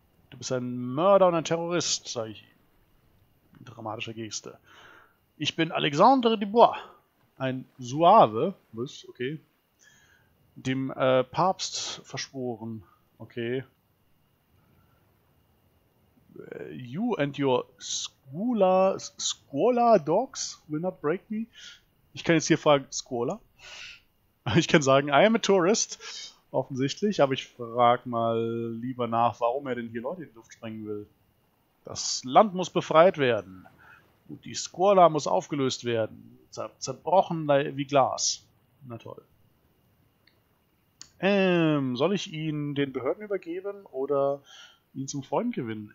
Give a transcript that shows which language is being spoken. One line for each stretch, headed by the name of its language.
German: Du bist ein Mörder und ein Terrorist, sage ich. Dramatische Geste. Ich bin Alexandre Dubois, ein Suave, was? Okay. Dem Papst verschworen, okay.
English: You and your Squala Dogs will not break me.
German: Ich kann jetzt hier fragen, Squala. Ich kann sagen,
English: I am a tourist,
German: offensichtlich. Aber ich frage mal lieber nach, warum er denn hier Leute in die Luft sprengen will. Das Land muss befreit werden. Und die Squala muss aufgelöst werden. Zerbrochen wie Glas. Na toll. Soll ich ihn den Behörden übergeben oder ihn zum Freund gewinnen?